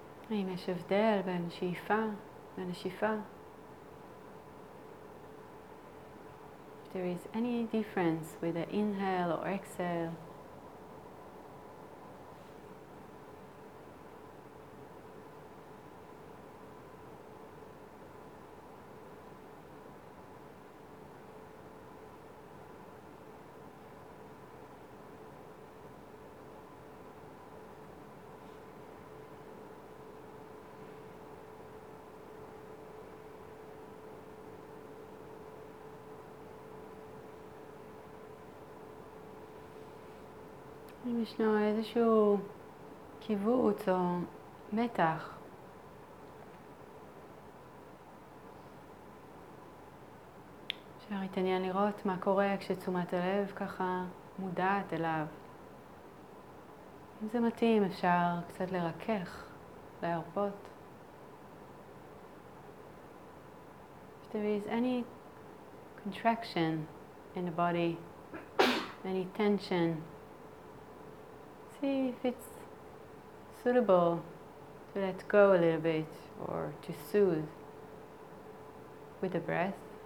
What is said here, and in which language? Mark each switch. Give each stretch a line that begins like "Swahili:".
Hebrew: האם יש הבדל בין שאיפה ונשיפה?
English: If there is any difference with the inhale or exhale.
Hebrew: אם ישנו איזשהו קיבוץ או מתח. אפשר להתעניין לראות מה קורה כשתשומת הלב ככה מודעת אליו. אם זה מתאים, אפשר קצת לרכך, להרפות.
English: If there is any contraction in the body, any tension, see if it's suitable to let go a little bit or to soothe with the breath.